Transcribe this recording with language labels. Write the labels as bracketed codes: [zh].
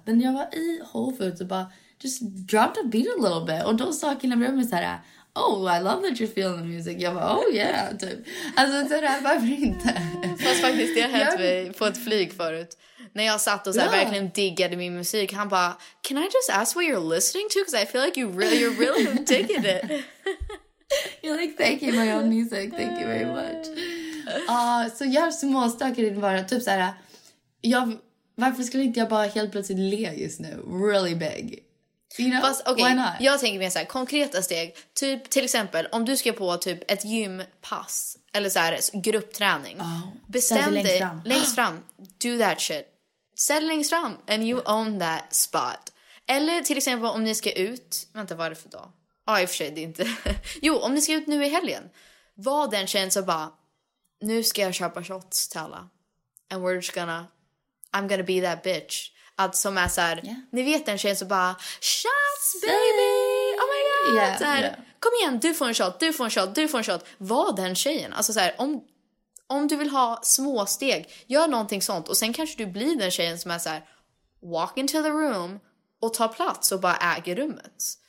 [sv] Men jag var i Whole Foods och bara, [en] just drop the beat a little bit. [sv] Och då sa killen bredvid mig så här, [en] oh, I love that you're feeling the music. [sv] Jag bara, [en] oh yeah, [sv] typ. Alltså så här, varför inte? Fast faktiskt, det har hänt mig på ett flyg förut. När jag satt och så här, verkligen diggade min musik. Han bara, [en] can I just ask what you're listening to? Because I feel like you're really digging it. You're like, thank you, my own music. Thank you very much. [sv] Så jag har småstökat in bara. Typ så här, varför skulle inte jag bara helt plötsligt le just nu? [en] Really big. You know, fast, okay, why not? [sv] Jag tänker mer så här, konkreta steg. Typ, till exempel, om du ska på typ ett gympass. Eller så här, gruppträning. [en] Oh, [sv] bestäm dig längst fram. [en] Do that shit. [sv] Sätt längst fram [en] and you own that spot. [sv] Eller till exempel om ni ska ut. Vänta, vad är det för dag? Ja, i och för sig, det är inte. Jo, om ni ska ut nu i helgen. Var den känns att bara, nu ska jag köpa shots till alla. [en] And we're just gonna, I'm gonna be that bitch. [sv] Att som är så här, ni vet den känns att bara, [en] shots baby! Oh my god! Yeah, [sv] så här, kom igen, du får en shot. Var den tjejen. Alltså så här, om du vill ha små steg, gör någonting sånt. Och sen kanske du blir den tjejen som är så här, [en] walk into the room [sv] och ta plats och bara äger rummet.